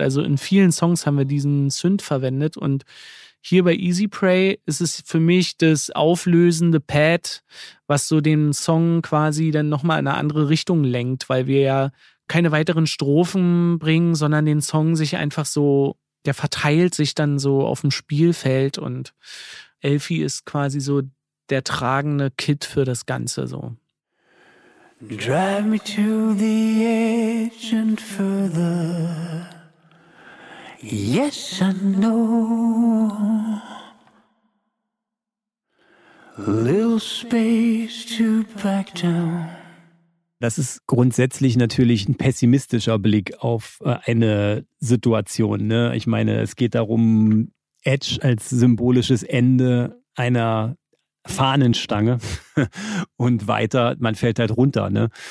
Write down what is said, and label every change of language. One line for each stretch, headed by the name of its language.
German: Also in vielen Songs haben wir diesen Synth verwendet und hier bei Easy Prey ist es für mich das auflösende Pad, was so den Song quasi dann nochmal in eine andere Richtung lenkt, weil wir ja keine weiteren Strophen bringen, sondern den Song sich einfach so, der verteilt sich dann so auf dem Spielfeld und Elfie ist quasi so der tragende Kit für das Ganze so.
English: Drive me to the edge and further. Yes, I know. Little space to back down.
German: Das ist grundsätzlich natürlich ein pessimistischer Blick auf eine Situation. Ne? Ich meine, es geht darum, Edge als symbolisches Ende einer Fahnenstange und weiter, man fällt halt runter. Ne?